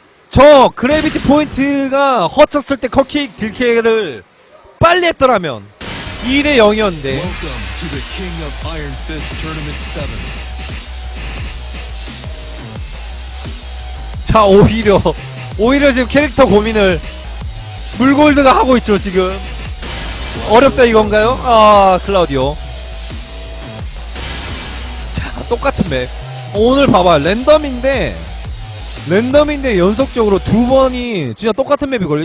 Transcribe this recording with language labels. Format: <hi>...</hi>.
<ko>저 그래비티 포인트가 허쳤을 때 컵킥 딜케를 빨리 했더라면 2대 0이었는데.</ko> <en>Welcome to the King of Iron Fist Tournament 7.</en> <ko>자, 오히려 지금 캐릭터 고민을 물골드가 하고 있죠 지금. 어렵다 이건가요? 아, 클라우디오. 자, 똑같은 맵. 오늘 봐봐, 랜덤인데 연속적으로 두 번이 진짜 똑같은 맵이 걸려.</ko>